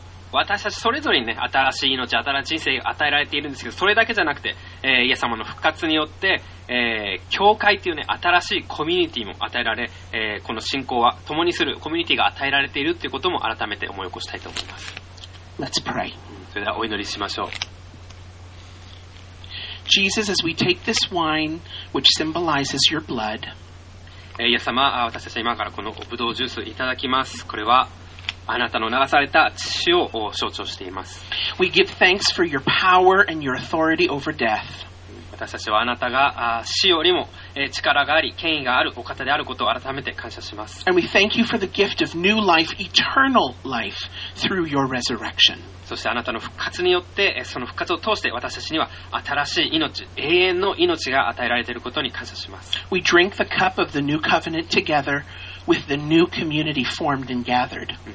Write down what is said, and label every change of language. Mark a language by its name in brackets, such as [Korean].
[Japanese] 私たちそれぞれに、ね、新しい命、新しい人生が与えられているんですけど、それだけじゃなくて、イエス様の復活によって、教会という、ね、新しいコミュニティも与えられ、この信仰は共にするコミュニティが与えられているということも改めて思い起こしたいと思います。 [English] Let's pray. [Japanese] それではお祈りしましょう。 [English] Jesus, as we take this wine, which symbolizes your blood, [Japanese] イエス様、私たちは今からこのブドウジュースをいただきます。これはあなたの流された血を象徴しています。 [English] We give thanks for your power and your authority over death. [Japanese] 私たちはあなたが死よりも力があり、権威があるお方であることを改めて感謝します。 [English] And we thank you for the gift of new life, eternal life, through your resurrection. [Japanese] そしてあなたの復活によってその復活を通して私たちには新しい命永遠の命が与えられていることに感謝します。 [English] We drink the cup of the new covenant together with the new community formed and gathered.